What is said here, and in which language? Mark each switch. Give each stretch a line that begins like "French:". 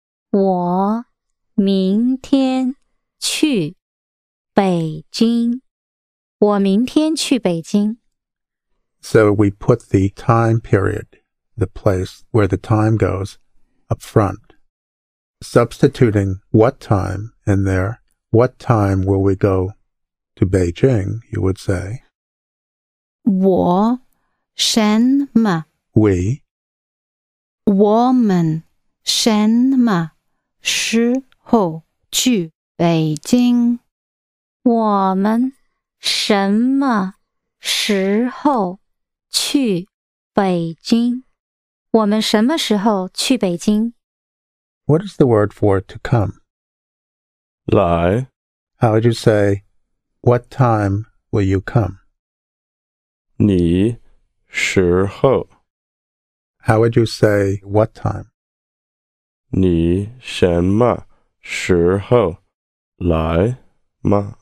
Chinese: 我明天去北京我明天去北京
English: So we put the time period, the place where the time goes, up front. Substituting what time in there, what time will we go to Beijing, you would say.
Chinese: 我什么
English: We.
Chinese: 我们什么时候去北京我们什么时候去北京我们什么时候去北京
English: What is the word for to come?
Chinese: 来
English: How would you say, what time will you come?
Chinese: 你时候
English: How would you say, what time?
Chinese: 你什么时候来吗?